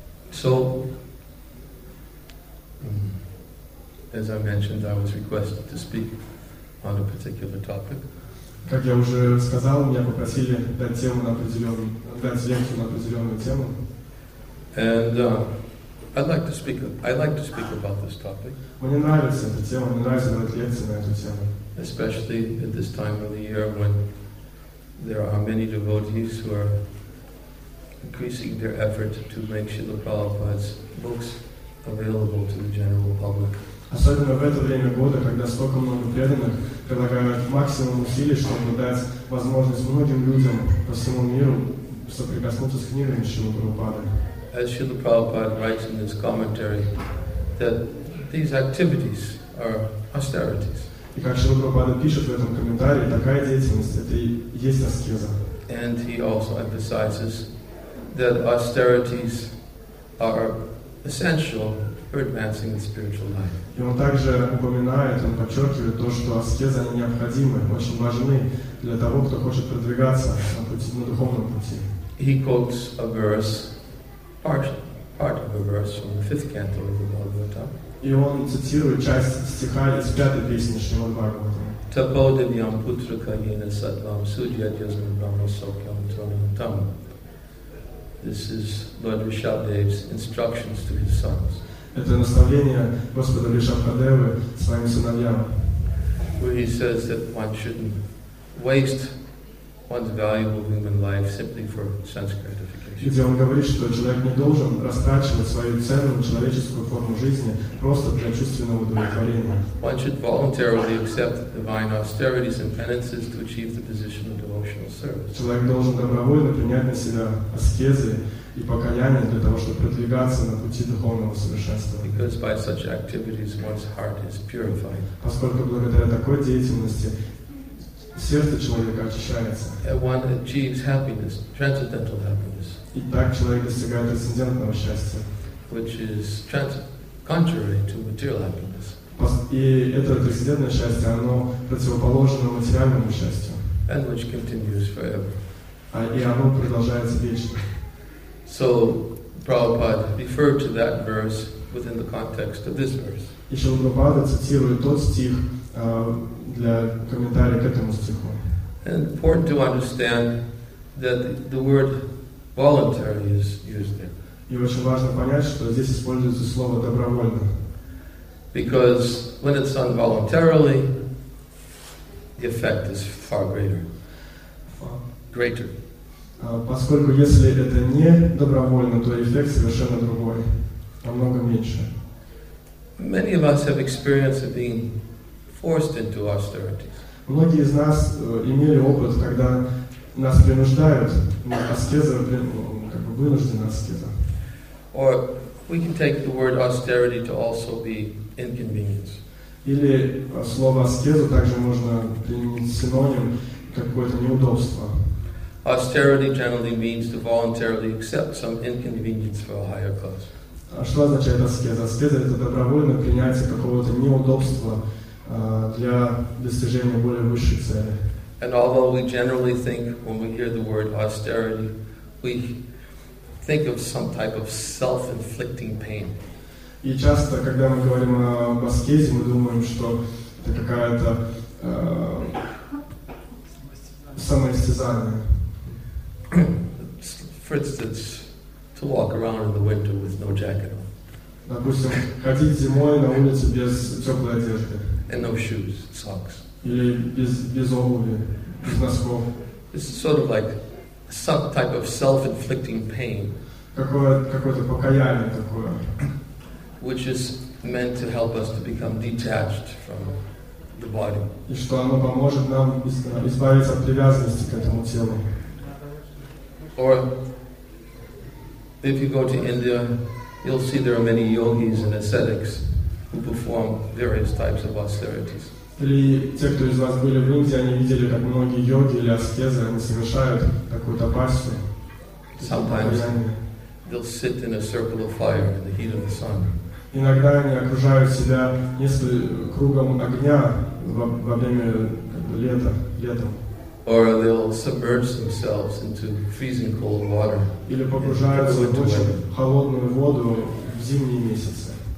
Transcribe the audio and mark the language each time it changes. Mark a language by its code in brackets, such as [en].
[en] So, as I mentioned, I was requested to speak on a particular topic. [ru] Как я уже сказал, меня попросили дать тему на определенную тему. [en] And I'd like to speak about this topic. [ru] Мне нравится эта тема, мне нравится давать лекции на эту тему. [en] Especially at this time of the year when there are many devotees who are increasing their effort to make Srila Prabhupada's books available to the general public. [ru] Особенно в это время года, когда столько много преданных прилагают максимум усилий, чтобы дать возможность многим людям по всему миру соприкоснуться с книгами Шрилы Прабхупады. [en] As Srila Prabhupada writes in his commentary, that these activities are austerities. [ru] И как Шрила Прабхупада пишет в этом комментарии, такая деятельность – это и есть аскеза. [en] And he also emphasizes that austerities are essential for advancing the spiritual life. [ru] И он также упоминает, он подчеркивает то, что аскеза необходимы, очень важны для того, кто хочет продвигаться на духовном пути. [en] He quotes a verse, part of a verse from the fifth canto of the Bhagavata. [ru] И он цитирует часть стиха из пятой песни Шримад Бхагаватам. [sa] Тапо дивьям путрака йена саттвам судьят язмам брахма сокхьям тронам там. [en] This is Lord Rishabhdev's instructions to his sons. [ru] Это наставление Господа Ришабхадевы своим сыновьям. [en] Where he says that one shouldn't waste one's valuable human life simply for sense gratification. [ru] Где он говорит, что человек не должен растрачивать свою ценную человеческую форму жизни просто для чувственного удовлетворения. [en] One should voluntarily accept divine austerities and penances to achieve the position of devotional service. [ru] Человек должен добровольно принять на себя аскезы и покаяние для того, чтобы продвигаться на пути духовного совершенствования. [en] Because by such activities one's heart is purified. [ru] Поскольку благодаря такой деятельности сердце человека очищается. [en] One achieves happiness, transcendental happiness. [ru] И так человек достигает трансцендентного счастья, [en] which is contrary to material happiness. [ru] И это трансцендентное счастье, оно противоположно материальному счастью. [en] And which continues forever. [ru] И оно продолжается вечно. [en] So Prabhupada referred to that verse within the context of this verse. [ru] И Шрила Прабхупада цитирует тот стих для комментария к этому стиху. [en] And important to understand that the word voluntary is used there. [ru] И очень важно понять, что здесь используется слово добровольно. [en] Because when it's done voluntarily, the effect is far greater. Greater. [ru] Поскольку если это не добровольно, то эффект совершенно другой, намного меньше. [en] Many of us have experience of being forced into austerities. [ru] Многие из нас имели опыт, когда нас принуждают на аскезу, как бы вынуждены аскеза. [en] Or we can take the word austerity to also be inconvenience. [ru] Или слово аскезу также можно применить синоним какое-то неудобство. [en] Austerity generally means to voluntarily accept some inconvenience for a higher cause. [ru] А что означает аскеза? Аскеза — это добровольно принятие какого-то неудобства для достижения более высшей цели. [en] And although we generally think, when we hear the word austerity, we think of some type of self-inflicting pain. [ru] И часто, когда мы говорим об аскезе, мы думаем, что это какая-то самоистязание. [en] For instance, to walk around in the winter with no jacket on. [ru] Допустим, ходить зимой на улице без теплой одежды. [en] And no shoes, socks. [ru] Или без обуви, без носков. [en] This is sort of like some type of self-inflicting pain. [ru] Какое-то покаяние такое. [en] Which is meant to help us to become detached from the body. [ru] И что оно поможет нам избавиться от привязанности к этому телу. [en] Or if you go to India, you'll see there are many yogis and ascetics who perform various types of austerities. [ru] Или те, кто из вас были в Индии, они видели, как многие йоги или аскезы они совершают такую тапасу. [en] Sometimes they'll sit in a circle of fire in the heat of the sun. [ru] Иногда они окружают себя несколько кругом огня во время лета. [en] Or they'll submerge themselves into freezing cold water. [ru] Или погружаются в очень холодную воду в зимние месяцы.